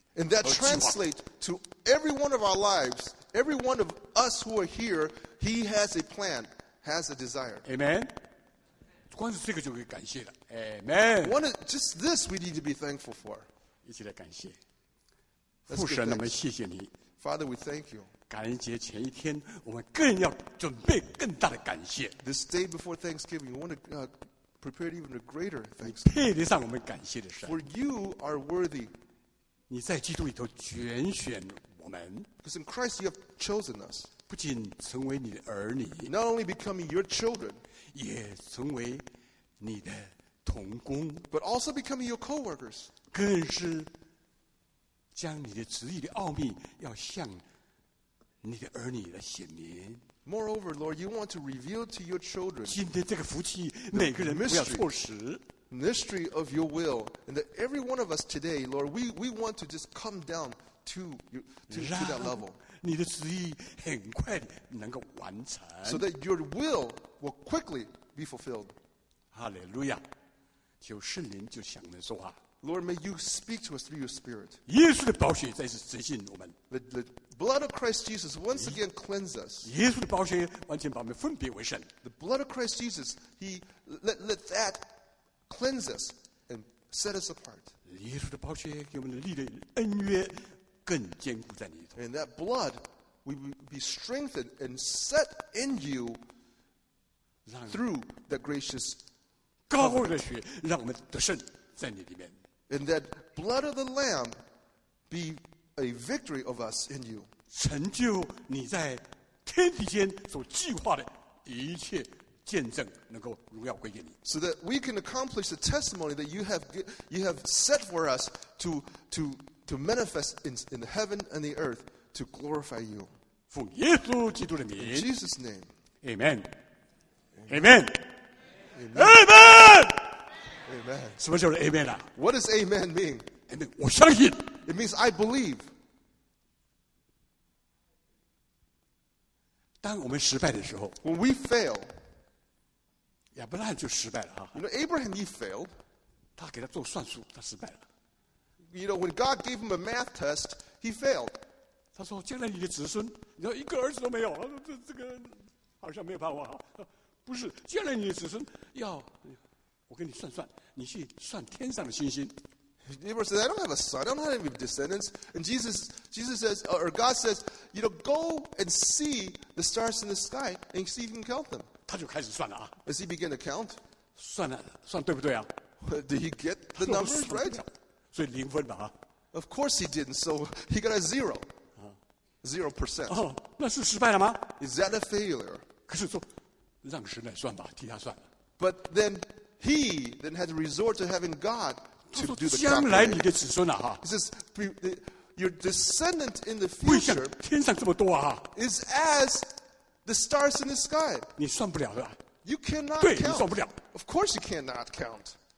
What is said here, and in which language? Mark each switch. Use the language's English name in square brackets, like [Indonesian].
[English] And that translates to every one of our lives, every one of us who are here. He has a plan, has a desire. Amen. [Chinese] 光是这个就可以感谢了。 [English] Amen. One, just this, we need to be thankful for. [Chinese] 一起来感谢，父神，我们谢谢你。 [English] Father, we thank you. [Chinese] 感恩节前一天，我们更要准备更大的感谢。 [English] This day before Thanksgiving, we want to prepare even a greater thanks. [Chinese] 配得上我们感谢的神。 [English] For you are worthy. [Chinese] 你在基督里头拣选我们。 [English] Because in Christ you have chosen us. [Chinese] 不仅成为你的儿女。 [English] Not only becoming your children. [Chinese] 也成为你的。同工 [English] but also becoming your co-workers. [Chinese] 更是将你的旨意的奥秘要向你的儿女来显明。 [English] Moreover, Lord, you want to reveal to your children [Chinese] 今天这个福气每个人不要错失。 [English] Mystery of your will, and that every one of us today, Lord, we want to just come down to that level. [Chinese] 让你的旨意很快能够完成。 [English] So that your will quickly be fulfilled. [Chinese] Hallelujah. 求圣灵就向我们说话。 [English] Lord, may you speak to us through your spirit. [Chinese] 耶稣的宝血再次洁净我们。 [English] The blood of Christ Jesus once again cleanses us. [Chinese] 耶稣的宝血完全把我们分别为圣。 [English] The blood of Christ Jesus, he let that cleanse us and set us apart. [Chinese] 耶稣的宝血给我们的立的恩约更坚固在你里头。 [English] And that blood, we will be strengthened and set in you through the gracious covenant. [Chinese] 高的血让我们得胜在你里面。 [English] And that blood of the Lamb be a victory of us in you. [Chinese] 成就你在天地间所计划的一切见证，能够荣耀归给你。 [English] So that we can accomplish the testimony that you have set for us to manifest in the heaven and the earth to glorify you. [Chinese] 奉耶稣基督的名。 [English] In Jesus' name. Amen. Amen. Amen. Amen. Amen. Amen. [Chinese] 什么叫做 Amen 啊？ [English] What does Amen mean? [Chinese] Amen. 我相信。 [English] It means I believe. [Chinese] 当我们失败的时候 [English] ，When we fail， [Chinese] 亚伯拉罕就失败了哈。 [English] You know Abraham he failed. [Chinese] 他给他做算术，他失败了。 [English] You know when God gave him a math test, he failed. [Chinese] 他说：“将来你的子孙，你要一个儿子都没有，这个好像没有盼望啊。” 不是，将来你的子孙要。我给你算算，你去算天上的星星。 [English] Abraham says, "I don't have a son. I don't have any descendants." And Jesus says, or God says, "You know, go and see the stars in the sky and see if you can count them." [Chinese] 他就开始算了啊。 [English] As he began to count, [Chinese] 算了，算对不对啊 [English] ？Did he get the numbers right? [Chinese] 所以零分吧啊。 [English] Of course he didn't. So he got a zero, 0%. [Chinese] 哦，那是失败了吗 [English] ？Is that a failure? [Chinese] 可是说，让神来算吧，替他算。 [English] But then. He then had to resort to having God to do the calculation. He says, your descendant in the future is as the stars in the sky. You cannot count. Of course you cannot count.